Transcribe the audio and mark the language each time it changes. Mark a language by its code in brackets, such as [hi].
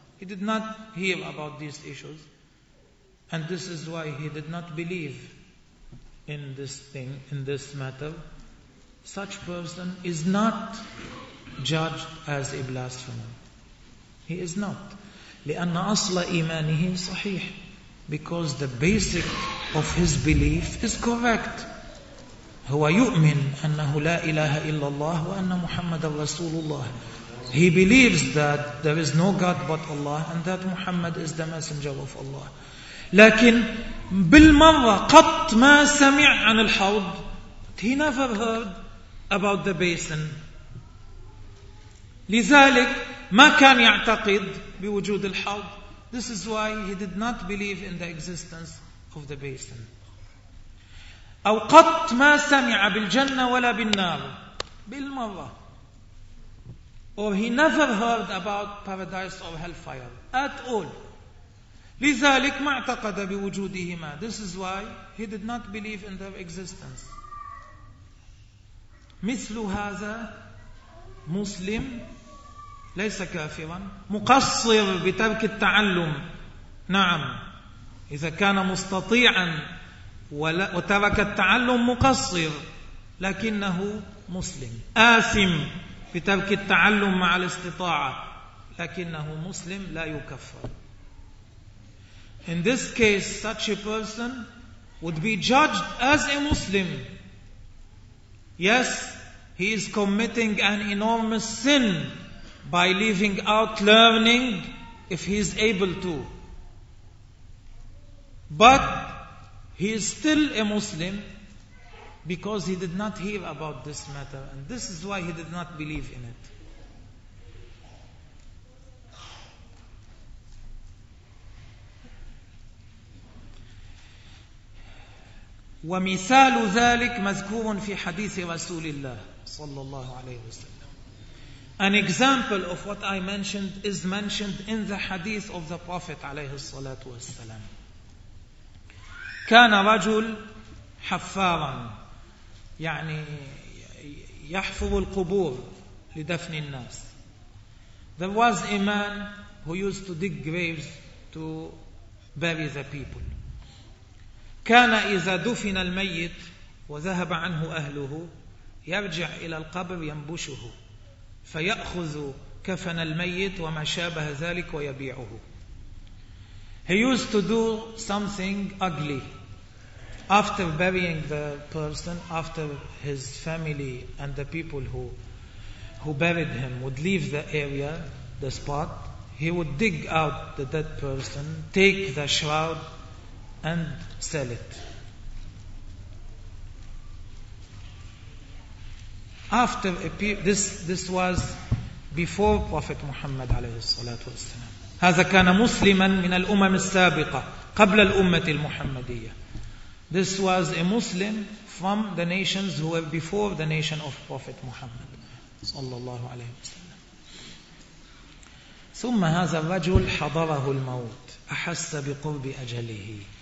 [en] He did not hear about these issues, and this is why he did not believe in this thing, in this matter, such person is not judged as a blasphemer. He is not. [ar] لأن أصل إيمانه صحيح. [en] Because the basic of his belief is correct. [ar] هو يؤمن أنه لا إله إلا الله وأن محمد رسول الله. [en] He believes that there is no God but Allah and that Muhammad is the messenger of Allah. [ar] لكن بالمرة قط ما سمع عن الحوض. [en] He never heard about the basin. [ar] لذلك ما كان يعتقد بوجود الحوض. [en] This is why he did not believe in the existence of the basin. [ar] أو قط ما سمع بالجنة ولا بالنار. بالمرة. [en] Or he never heard about paradise or hellfire at all. [ar] لذلك ما اعتقد بوجودهما. [en] This is why he did not believe in their existence. [ar] مثل هذا مسلم ليس كافرا مقصر بترك التعلم. نعم إذا كان مستطيعا وترك التعلم مقصر, لكنه مسلم. آثم بترك التعلم مع الاستطاعة, لكنه مسلم لا يكفر. [en] In this case, such a person would be judged as a Muslim. Yes, he is committing an enormous sin by leaving out learning if he is able to. But he is still a Muslim because he did not hear about this matter. And this is why he did not believe in it. [ar] ومثال ذلك مذكور في حديث رسول الله صلى الله عليه وسلم. [en] An example of what I mentioned is mentioned in the hadith of the Prophet [ar] عليه الصلاة والسلام. كان رجل حفارا يعني يحفر القبور لدفن الناس. [en] There was a man who used to dig graves to bury the people. [ar] كان إذا دفن الميت وذهب عنه أهله يرجع إلى القبر ينبشه فيأخذ كفن الميت وما شابه ذلك ويبيعه. [en] He used to do something ugly after burying the person, after his family and the people who buried him would leave the area, the spot. He would dig out the dead person, take the shroud and sell it. After a period, this was before Prophet Muhammad [ar] عليه الصلاة والسلام. هذا كان مسلما من الأمم السابقة قبل الأمة المحمدية. [en] This was a Muslim from the nations who were before the nation of Prophet Muhammad [ar] صلى الله عليه وسلم. ثم هذا الرجل حضره الموت أحس بقرب أجله.